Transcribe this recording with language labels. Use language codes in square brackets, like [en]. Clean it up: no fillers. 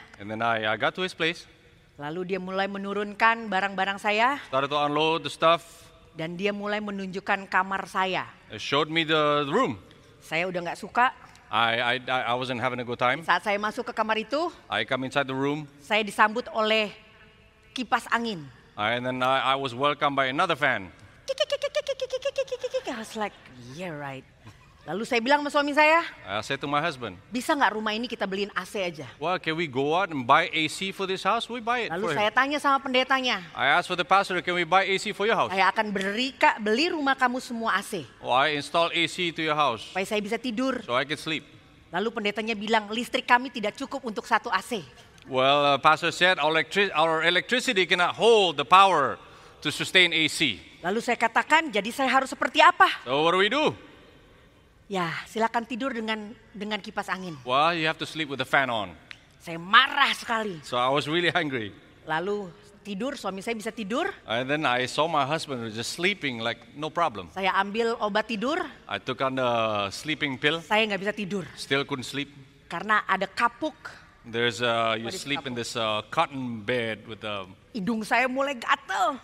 [en] And then I got to his place. [id] Lalu dia mulai menurunkan barang-barang saya. [en] Started to unload the stuff. [id] Dan dia mulai menunjukkan kamar saya. [en] He showed me the room. [id] Saya udah enggak suka. [en] I wasn't having a good time. [id] Saat saya masuk ke kamar itu, [en] I come inside the room. [id] Saya disambut oleh kipas angin. [en] And then I was welcomed by another fan. I was like, yeah, right. [id] Lalu saya bilang sama suami saya. [en] I said to my husband. [id] Bisa enggak rumah ini kita beliin AC aja? [en] Well, can we go out and buy AC for this house? We buy it. [id] Lalu [en] for [id] saya Tanya sama pendetanya. [en] I asked for the pastor, can we buy AC for your house? [id] Saya akan beli rumah kamu semua AC. [en] Oh, I install AC to your house. [id] Supaya saya bisa tidur. [en] So I can sleep. [id] Lalu pendetanya bilang listrik kami tidak cukup untuk satu AC. [en] Well, pastor said our electricity cannot hold the power to sustain AC. [id] Lalu saya katakan, jadi saya harus seperti apa? [en] So what do we do? [id] Ya, silakan tidur dengan kipas angin. [en] Well, you have to sleep with the fan on. [id] Saya marah sekali. [en] So I was really angry. [id] Lalu tidur, suami saya bisa tidur. [en] And then I saw my husband just sleeping like no problem. [id] Saya ambil obat tidur. [en] I took on the sleeping pill. [id] Saya nggak bisa tidur. [en] Still couldn't sleep. [id] Karena ada kapuk. [en] There's you sleep kapuk? In this cotton bed with a. [id] Hidung saya mulai gatel.